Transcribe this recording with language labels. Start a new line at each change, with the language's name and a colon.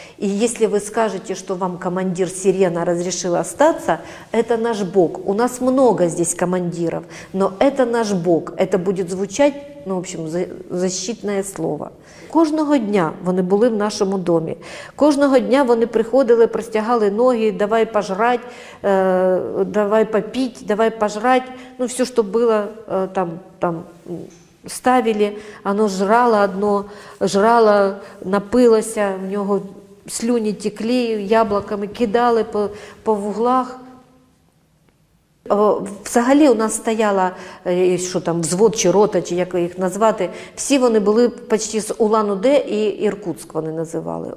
Russian: И если вы скажете, что вам командир Сирена разрешил остаться, это наш Бог. У нас много здесь командиров, но это наш Бог. Это будет звучать, ну, в общем, защитное слово.
Ukrainian: Кожного дня вони були в нашому домі. Кожного дня вони приходили, простягали ноги:
Russian: «Давай пожрать, давай попить, давай пожрать».
Ukrainian: Ну, все, що було там ставили, оно жрало одно, жрало, напилося, в нього слюні текли, яблуками кидали по вуглах. Взагалі у нас стояла, що там, взвод чи рота, чи як їх назвати, всі вони були почти з Улан-Удэ і Іркутськ вони називали.